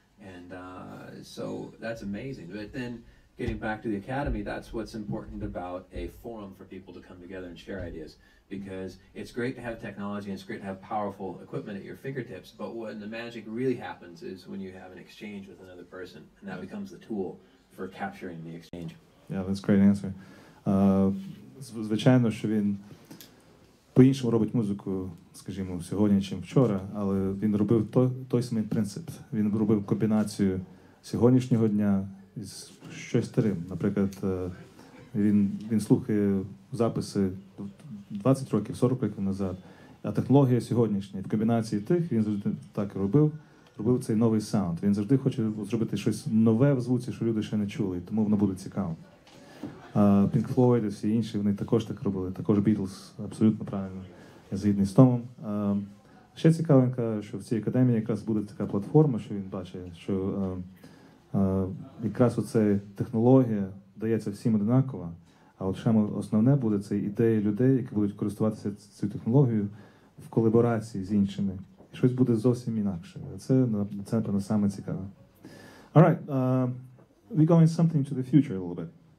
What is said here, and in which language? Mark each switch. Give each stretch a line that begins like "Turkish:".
English: And so that's amazing. But then getting back to the Academy, that's what's important about a forum for people to come together and share ideas. Because it's great to have technology, and it's great to have powerful equipment at your fingertips, but when the magic really happens is when you have an exchange with another person, and that becomes the tool for capturing the exchange. Yeah, that's a great answer.
Ukrainian: Звичайно, що він по-іншому робить музику, скажімо, сьогодні, чим вчора, але він робив той самий принцип. Він робив комбінацію сьогоднішнього дня з щось старим. Наприклад, він слухає записи 20 років, 40 років назад, а технологія сьогоднішня. В комбінації тих він завжди так робив цей новий саунд. Він завжди хоче зробити щось нове в звуці, що люди ще не чули, тому воно буде цікаво. Pink Floyd і всі інші, вони також так робили, також Beatles, абсолютно правильно, я згідний з Томом. Ще цікавенько, що в цій академії якраз буде така платформа, що він бачить, що якраз оця технологія дається всім однаково, А от саме основне буде це ідея людей, які будуть користуватися цією технологією в колаборації з іншими. І щось буде зовсім інакше. Це напевно саме цікаве.
English: All right. We're going something to the future a little bit.